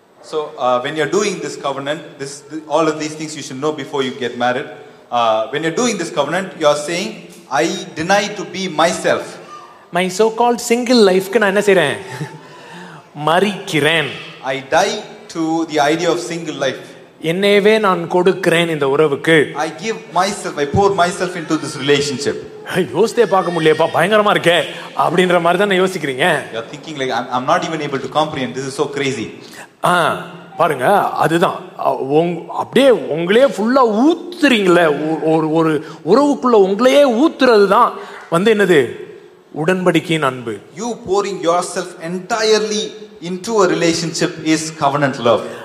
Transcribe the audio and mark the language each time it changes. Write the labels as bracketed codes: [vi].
[en] So when you're doing this covenant, all of these things you should know before you get married. When you're doing this covenant, you're saying, I deny to be myself. My so-called single life-க்கு [ta] நான் என்ன செய்றேன்? மறிக்கிறேன். [en] I die to the idea of single life. [ta] என்னவே நான் கொடுக்கிறேன் இந்த உறவுக்கு. [en] I give myself, I pour myself into this relationship. [ta] யோசித்தே பார்க்க முடியலப்பா, பயங்கரமா இருக்கே அப்படின்ற மாதிரி தானே யோசிக்கிறீங்க. [en] You are thinking like I'm not even able to comprehend. This is so crazy. [ta] பாருங்க, அதுதான் அப்படியே உங்களே ஃபுல்லா ஊத்துறீங்களே ஒரு உறவுக்குள்ள உங்களையே ஊத்துறது தான் வந்து என்னது, உடன்படிக்கையின் அன்பு. [en] You pouring yourself entirely into a relationship is covenant love.